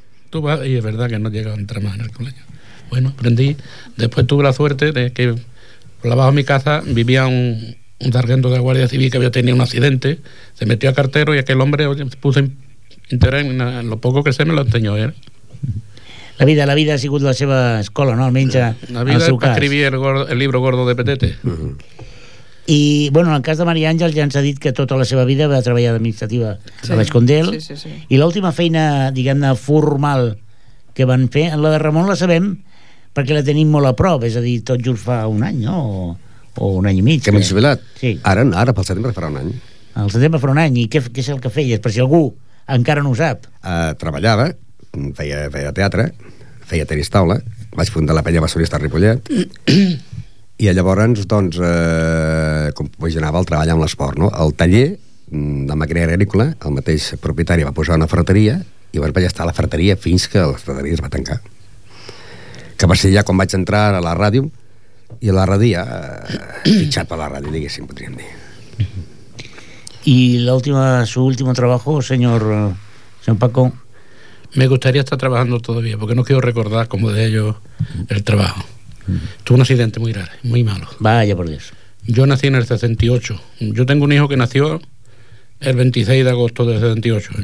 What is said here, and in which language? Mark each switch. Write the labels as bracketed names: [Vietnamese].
[Spanish] Tú vas, y es verdad que no llegaba a entrar más en el colegio. Bueno, aprendí. Después tuve la suerte de que por abajo de mi casa vivía un sargento de la Guardia Civil que había tenido un accidente, se metió a cartero y aquel hombre, oye, se puso interés en lo poco que sé, me lo enseñó él. [Catalan] La vida ha sigut la seva escola, no? Almenys la vida és per escrivir el libro gordo de Petete. Uh-huh. I, bueno, en el cas de Maria Àngels ja ens ha dit que tota la seva vida va treballar d'administrativa, sí, a l'Escondel. Sí, sí, sí. I l'última feina, diguem-ne, formal que van fer, la de Ramon la sabem perquè la tenim molt a prop, és a dir, tot just fa un any, no? O un any i mig. Que m'he jubilat? Sí. Ara, pel setembre farà un any. El setembre farà un any. I què és el que feies? Per si algú encara no ho sap. Treballava feia teatre, feia tenis taula, vaig fundar la penya bessonista Ripollet, i llavors, doncs, com vaig anar al treball amb l'esport, no? El taller de maquinària agrícola, el mateix propietari va posar una ferreteria, i llavors vaig estar a la ferreteria fins que la ferreteria es va tancar. Que va ser ja quan vaig entrar a la ràdio, i a la ràdio ja, fitxat per la ràdio, diguéssim, podríem dir. [Spanish] ¿Y su último trabajo, señor Paco? Me gustaría estar trabajando todavía, porque no quiero recordar como de ellos el trabajo. Tuve un accidente muy grave, muy malo. Vaya por Dios. Yo nací en el 68. Yo tengo un hijo que nació el 26 de agosto del 68.